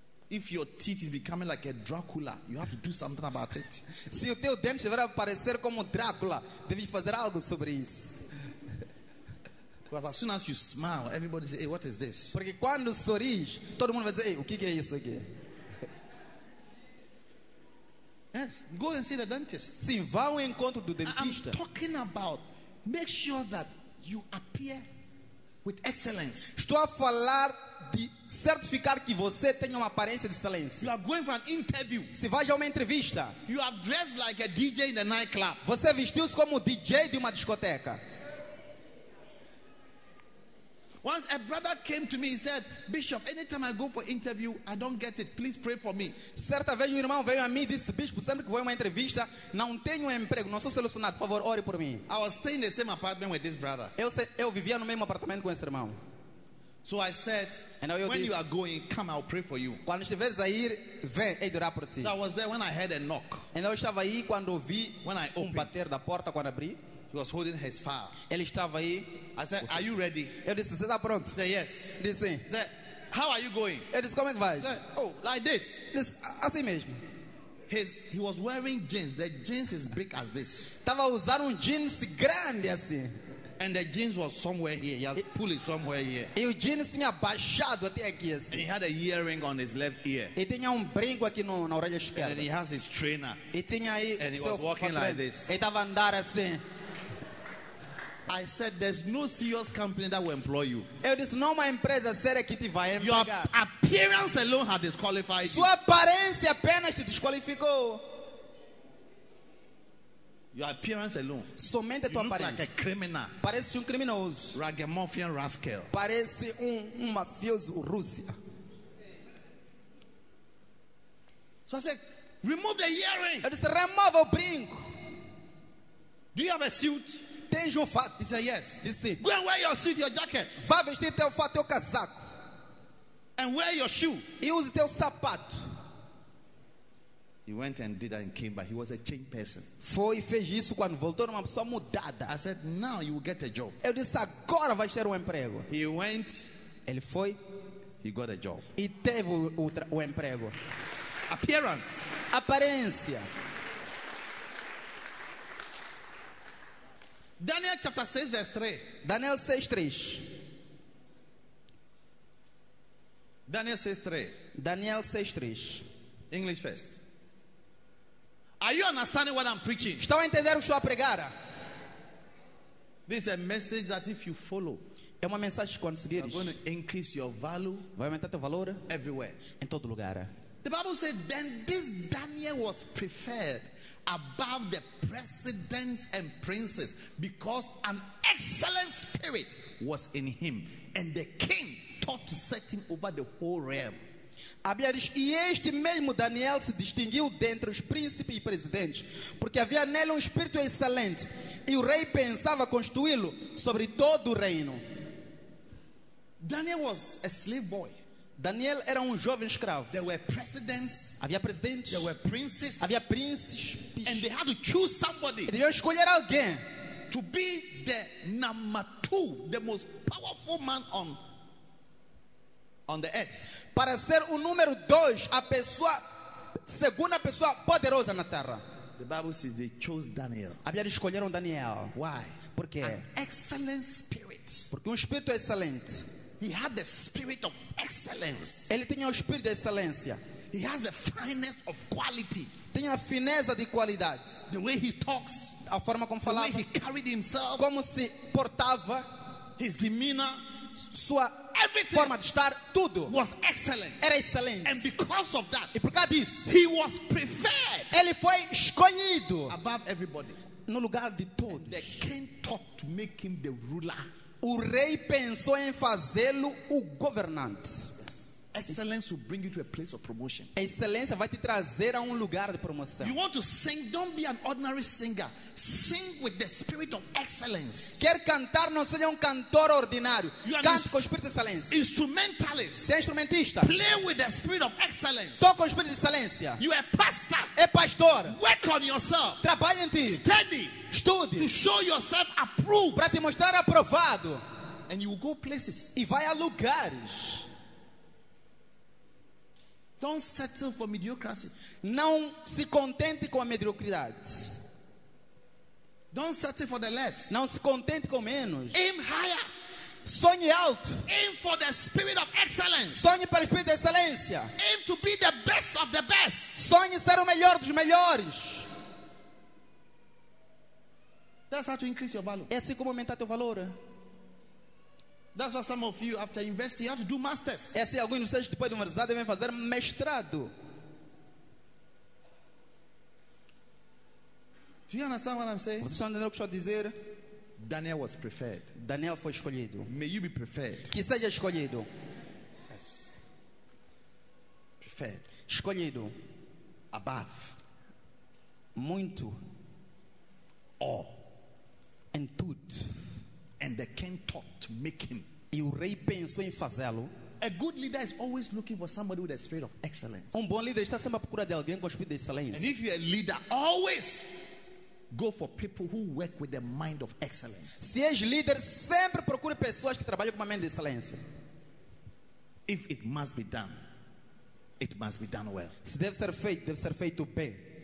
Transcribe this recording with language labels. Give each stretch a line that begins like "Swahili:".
English: If your teeth is becoming like a Dracula, you have to do something about it.
Portuguese: Se o teu dente estiver a parecer como Drácula, deve fazer algo sobre isso.
English: Because as soon as you smile, everybody says, hey, what is this?
Portuguese: Porque quando sorris, todo mundo vai dizer, hey, o que é isso aqui?
English: Yes, go and see the dentist.
Portuguese: Sim, vá ao encontro do dentista.
English: I'm talking about, make sure that you appear with excellence.
Portuguese: Estou a falar de certificar que você tem uma aparência de excelência.
English: You are going for an interview.
Portuguese: Se vai a uma entrevista.
English: You are dressed like a DJ in a nightclub.
Portuguese: Você vestiu-se como um DJ de uma discoteca.
English: Once a brother came to me, he said, Bishop, anytime I go for interview, I don't get it. Please pray for me.
Portuguese: Certa vez um irmão veio a mim e disse, Bispo, sempre que vou a uma entrevista, não tenho emprego, não sou selecionado. Por favor, ore por mim.
English: I was staying in the same apartment with this brother.
Portuguese: Eu vivia no mesmo apartamento com esse irmão.
English: So I said, and when
Portuguese: eu disse,
English: you are going, come, I'll pray for you.
Portuguese: Quando estiveres a ir, vem, hei de orar por ti.
English: So I was there when I heard a knock. And
Portuguese: eu estava aí quando ouvi
English: when I opened.
Portuguese: Um bater da porta quando abri.
English: He was holding his file.
Portuguese: Ele estava aí.
English: I said, are you ready?
Portuguese: Eu disse, você está pronto?
English: He said, yes.
Portuguese: Ele disse, sim.
English: He said, how are you going?
Portuguese: Ele disse, como é que vai?
English: He said, oh, like this.
Portuguese: Disse, assim mesmo.
English: He was wearing jeans. The jeans is big as this.
Portuguese: Estava a usar jeans grande assim.
English: And the jeans was somewhere here. He has pulled it somewhere here.
Portuguese: E o jeans tinha baixado até aqui assim.
English: And he had a earring on his left ear.
Portuguese: E tinha brinco aqui na orelha esquerda.
English: And he has his trainer.
Portuguese: E tinha aí
English: and he was walking like this.
Portuguese: E estava a andar assim.
English: I said, there's no serious company that will employ you.
Portuguese: Eu disse, não uma empresa séria que te vai empregar.
English: Your appearance alone had disqualified you.
Portuguese: Sua aparência apenas te desqualificou.
English: Your appearance alone.
Portuguese: Somente
English: you
Portuguese: tua aparência.
English: Look like a criminal.
Portuguese: Parece um criminoso.
English: Ragamuffin rascal.
Portuguese: Parece um mafioso Rússia.
English: So I said, remove the earring.
Portuguese: Eu disse, remove o brinco.
English: Do you have a suit?
Portuguese: Tens um fato?
English: He said, yes.
Portuguese: Disse, sim.
English: Go and wear your suit, your jacket.
Portuguese: Vá vestir teu fato, teu casaco.
English: And wear your shoe.
Portuguese: E use teu sapato.
English: He went and did that and came back. He was a changed person.
Portuguese: Foi e fez isso quando voltou, era uma pessoa mudada.
English: I said, now you will get a job.
Portuguese: Eu disse, agora vai ter emprego.
English: He went.
Portuguese: Ele foi.
English: He got a job.
Portuguese: E teve o emprego.
English: Appearance.
Portuguese: Aparência.
English: Daniel chapter 6 verse 3.
Portuguese: Daniel 6 3. Daniel 6 3. Daniel 6 3.
English: English first. Are you understanding what I'm preaching?
Portuguese: Estão a entender o que estou a pregar?
English: This is a message that if you follow,
Portuguese: é uma mensagem que quando seguires,
English: you're going to increase your value,
Portuguese: vai aumentar teu valor
English: everywhere,
Portuguese: em todo lugar.
English: The Bible said then this Daniel was preferred above the presidents and princes because an excellent spirit was in him and the king thought to set him over the whole realm.
Portuguese: A Bíblia diz, e este mesmo Daniel se distinguiu dentre os príncipes e presidentes porque havia nele espírito excelente e o rei pensava constituí-lo sobre todo o reino.
English: Daniel was a slave boy.
Portuguese: Daniel era jovem escravo.
English: There were presidents.
Portuguese: Havia presidentes.
English: There were princes.
Portuguese: Havia príncipes.
English: And they had to choose somebody.
Portuguese: E deviam escolher alguém
English: to be the number two, the most powerful man on the earth.
Portuguese: Para ser o número dois, a pessoa segunda pessoa poderosa na terra.
English: The Bible says they chose Daniel.
Portuguese: Havia escolheram Daniel.
English: Why?
Portuguese: Porque
English: an excellent spirit.
Portuguese: Porque espírito excelente.
English: He had the spirit of excellence.
Portuguese: Ele tinha o espírito de excelência.
English: He has the finest of quality.
Portuguese: Tinha a fineza de qualidade.
English: The way he talks,
Portuguese: a forma como
English: the
Portuguese: falava,
English: way he carried himself,
Portuguese: como se portava,
English: his demeanor,
Portuguese: sua
English: everything
Portuguese: forma de estar, tudo
English: was excellent.
Portuguese: Era excelente.
English: And because of that,
Portuguese: e por causa disso,
English: he was preferred.
Portuguese: Ele foi escolhido
English: above everybody.
Portuguese: No lugar de todos.
English: And the king thought to make him the ruler.
Portuguese: O rei pensou em fazê-lo o governante.
English: Excellence will bring you to a place of promotion.
Portuguese: Excelência vai te trazer a lugar de promoção.
English: You want to sing? Don't be an ordinary singer. Sing with the spirit of excellence.
Portuguese: Quer cantar? Não seja cantor ordinário. Cante com o espírito de excelência.
English: Instrumentalist.
Portuguese: Seja instrumentista.
English: Play with the spirit of excellence.
Portuguese: Toque com o espírito de excelência.
English: You are pastor.
Portuguese: É pastor.
English: Work on yourself.
Portuguese: Trabalhe em ti.
English: Study.
Portuguese: Estude.
English: To show yourself approved.
Portuguese: Para te mostrar aprovado.
English: And you will go places.
Portuguese: E vai a lugares.
English: Don't settle for mediocrity.
Portuguese: Não se contente com a mediocridade.
English: Don't settle for the less.
Portuguese: Não se contente com menos.
English: Aim higher.
Portuguese: Sonhe alto.
English: Aim for the spirit of excellence.
Portuguese: Sonhe para o espírito de excelência.
English: Aim to be the best of the best.
Portuguese: Sonhe ser o melhor dos melhores.
English: That's how to increase your value.
Portuguese: É assim como aumentar teu valor.
English: That's what some of you, after university, you have to do masters.
Portuguese: É assim, alguns de vocês depois da universidade devem fazer mestrado.
English: Do you understand what I'm saying?
Portuguese: Vocês estão entendendo o que estou a dizer?
English: Daniel was preferred.
Portuguese: Daniel foi escolhido.
English: May you be preferred.
Portuguese: Que seja escolhido.
English: Yes. Preferred.
Portuguese: Escolhido.
English: Above.
Portuguese: Muito.
English: All. And
Portuguese: tudo.
English: And the king thought to make him.
Portuguese: E o rei pensou em fazê-lo.
English: A good leader is always looking for somebody with a spirit of excellence.
Portuguese: Um bom líder está sempre à procura de alguém com espírito de excelência.
English: And if you're a leader, always go for people who work with the mind of excellence.
Portuguese: Se és líder, sempre procure pessoas que trabalham com uma mente de excelência.
English: If it must be done, it must be done well.
Portuguese: Se deve ser feito, deve ser feito bem.